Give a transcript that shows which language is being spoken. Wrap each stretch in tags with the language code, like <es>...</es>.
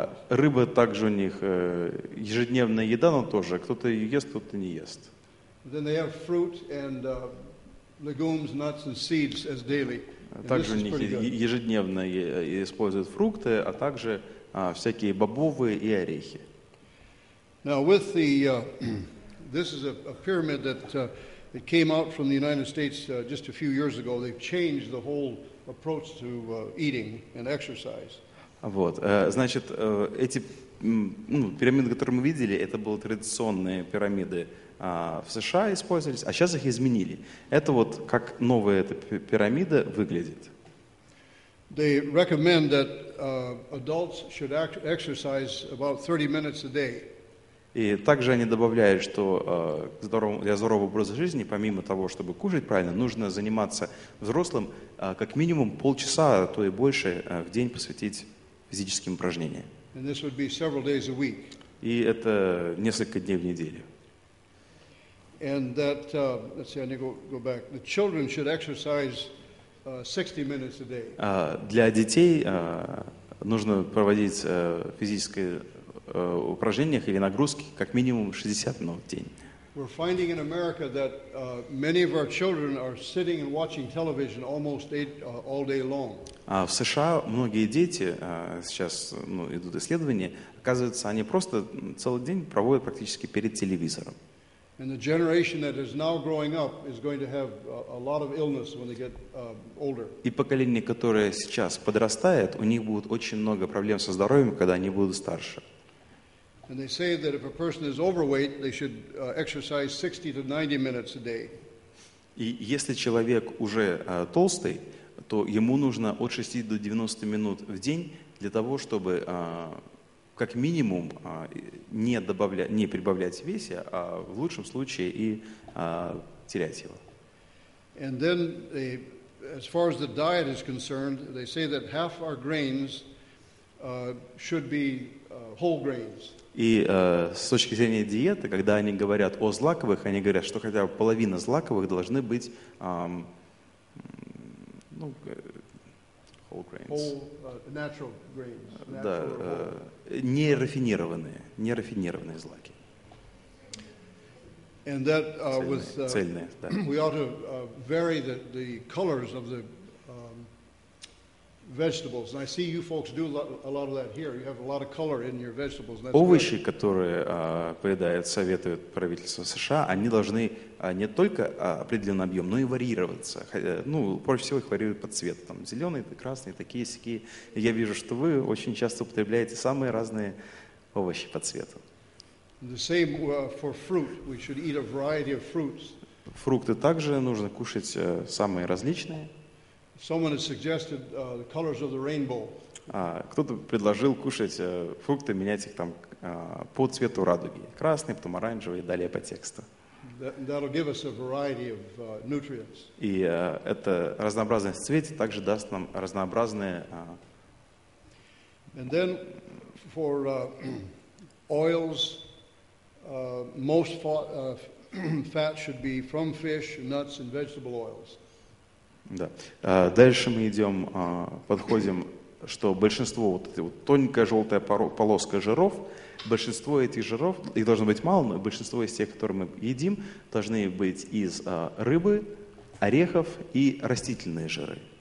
<ru>Рыба также у них ежедневная еда, но тоже кто-то ее ест, кто-то не ест.</ru> <en>Then they have fruit and legumes, nuts and seeds as daily.</en> <ru>Также у них ежедневно используют фрукты, а также всякие бобовые и орехи.</ru> <en>Now with the this is a pyramid that it came out from the United States just a few years ago. They've changed the whole approach to eating and exercise.</en> <ru>Вот, значит, эти пирамиды, которые мы видели, это были традиционные пирамиды в США использовались, а сейчас их изменили. Это вот как новая эта пирамида выглядит.</ru> <en>They recommend that adults should exercise about 30 minutes a day.</en> <ru>И также они добавляют, что для здорового образа жизни, помимо того, чтобы кушать правильно, нужно заниматься взрослым как минимум полчаса, а то и больше в день посвятить физическим упражнениям.</ru> <en>And this would be several days a week.</en> <ru>И это несколько дней в неделю.</ru> <en>And that, let's see, I need to go back. The children should exercise 60 minutes a day.</en> <ru>Для детей нужно проводить физическое упражнениях или нагрузки как минимум 60 минут в день.</ru> <en>We're finding in America that many of our children are sitting and watching television almost all day long.</en> <ru>В США многие дети сейчас, ну, идут исследования, оказывается, они просто целый день проводят практически перед телевизором.</ru> <en>And the generation that is now growing up is going to have a lot of illness when they get older.</en> <ru>И поколение, которое сейчас подрастает, у них будет очень много проблем со здоровьем, когда они будут старше.</ru> <en>And they say that if a person is overweight, they should exercise 60 to 90 minutes a day.</en> <ru>И если человек уже толстый, то ему нужно от 60 до 90 минут в день для того, чтобы как минимум не прибавлять веса, а в лучшем случае и терять его.</ru> <en>And then, as far as the diet is concerned, they say that half our grains should be whole grains.</en> <ru>И с точки зрения диеты, когда они говорят о злаковых, они говорят, что хотя бы половина злаковых должны быть</ru> <en>whole grains. Natural grains.</en> <ru>Да, нерафинированные злаки.</ru> <en>And that,</en> <ru>цельные, да.</ru> <en>We ought to vary the colors of the vegetables. And I see you folks do a lot of that here. You have a lot of color in your vegetables.</en> <ru>Овощи, которые советуют правительство США, они должны не только определенный объем, но и варьироваться. Проще всего их варьируют под цвет. Там зеленый, красный, такие сякие. Я вижу, что вы очень часто употребляете самые разные овощи по цвету.</ru> <en>The same for fruit. We should eat a variety of fruits.</en> <ru>Фрукты также нужно кушать самые различные.</ru> <en>Someone has suggested the colors of the rainbow.</en> <ru>Кто-то предложил кушать фрукты, менять их там по цвету радуги. Красный, потом оранжевый, далее по тексту.</ru> <en>That'll give us a variety of nutrients.</en> <ru>И эта разнообразность в цвете также даст нам разнообразные</ru> <en>And then for oils, most fat should be from fish, nuts and vegetable oils.</en> <ru>Да. Дальше мы идем, подходим, что большинство, вот эта вот тоненькая желтая полоска жиров, большинство этих жиров, их должно быть мало, но большинство из тех, которые мы едим, должны быть из рыбы, орехов и растительные жиры.</ru>